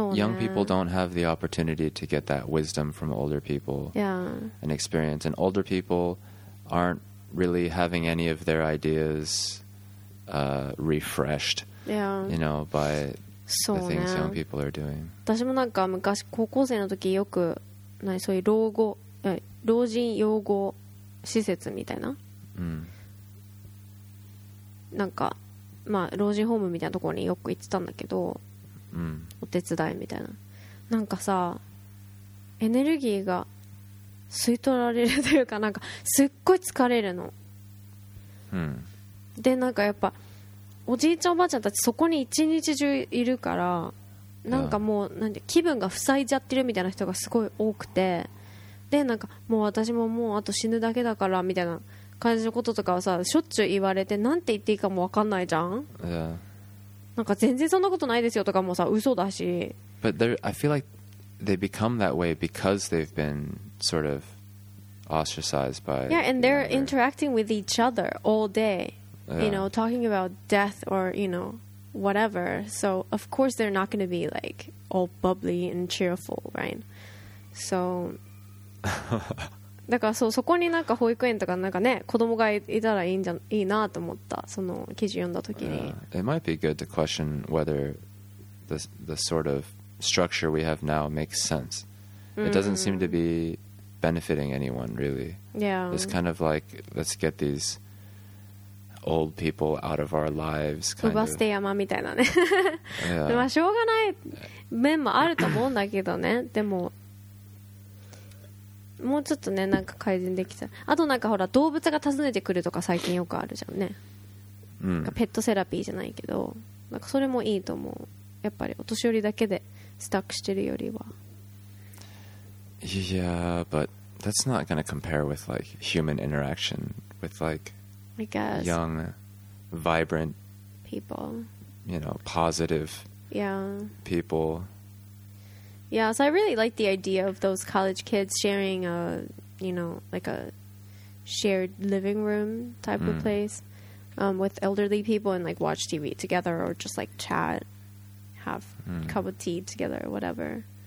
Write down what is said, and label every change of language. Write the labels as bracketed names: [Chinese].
[English] young people don't have the opportunity to get that wisdom from older people、 yeah. and experience. And older people aren't really having any of their ideas、refreshed、 yeah. you know, by、ね、the things young people are doing. [Japanese] 私もなんか昔高校生の時よくなそういう老後老人養護施設みたいな、なんか、まあ、老人ホームみたいなところによく行ってたんだけど、お手伝いみたいな、なんかさエネルギーが吸い取られるというか、なんかすっごい疲れるの、でなんかやっぱおじいちゃんおばあちゃんたちそこに一日中いるから、なんかもうなんて気分が塞いじゃってるみたいな人がすごい多くて、でなんかもう私ももうあと死ぬだけだからみたいな感じのこととかはさしょっちゅう言われて、なんて言っていいかも分かんないじゃん、なんか全然そんなことないですよとかもさ嘘だし。 [English] But I feel like they become that way because they've been sort of ostracized by Yeah, and they're interacting with each other all day、 yeah. you know, talking about death or you know, whatever. So of course they're not going to be like all bubbly and cheerful, right? [Japanese] So だから そこになんか保育園とかなんかね子供がいたらいいんじゃいいなと思った、その記事読んだ時に。 [English] It might be good to question whether the sort of structure we have now makes sense. It doesn't seem to be benefiting anyone really. Yeah. It's kind of like let's get these old people out of our lives. [Japanese] Kind 奪捨て山みたいなね。まあしょうがない面もあると思うんだけどね。でも。もうちょっとねなんか改善できた。あとなんかほら動物が訪ねてくるとか最近よくあるじゃんね、なんかペットセラピーじゃないけどなんかそれもいいと思う。やっぱりお年寄りだけでスタックしてるよりは。 [English] Yeah, but that's not gonna compare with like human interaction with like I guess young, vibrant people, you know, positive yeah people. Yeah, so I really like the idea of those college kids sharing a, you know, like a shared living room type of place with elderly people and like watch TV together or just like chat, have a cup of tea together or whatever.